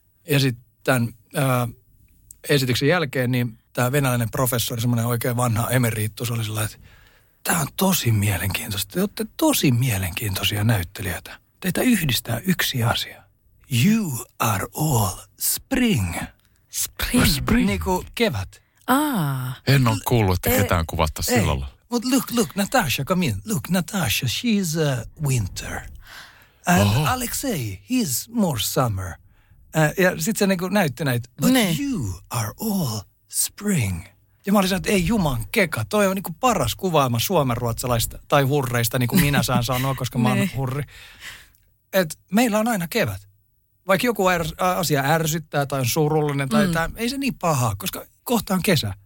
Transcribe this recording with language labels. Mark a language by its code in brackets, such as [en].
[fi] Ja sitten esityksen jälkeen, niin tämä venäläinen professori, semmoinen oikein vanha emeriittus, oli sellainen, että tämä on tosi mielenkiintoista. Te olette tosi mielenkiintoisia näyttelijöitä. Teitä yhdistää yksi asia. [en] You are all spring. Spring. [fi] Niin kuin kevät. Ah. En ole kuullut, että ketään kuvattaisi silloin. Mutta [en] look, Natasha, come in. Look, Natasha, she's a winter. And Alexei, he's more summer. [fi] Ja sitten se niinku näytti näitä. [en] But you are all spring. [fi] Ja mä olin sanonut, että ei juman keka, toi on niinku paras kuvaama suomenruotsalaista tai hurreista, niin kuin minä saan sanoa, koska mä oon hurri. Et meillä on aina kevät. Vaikka joku asia ärsyttää tai on surullinen tai tämä, ei se niin pahaa, koska kohta on kesä.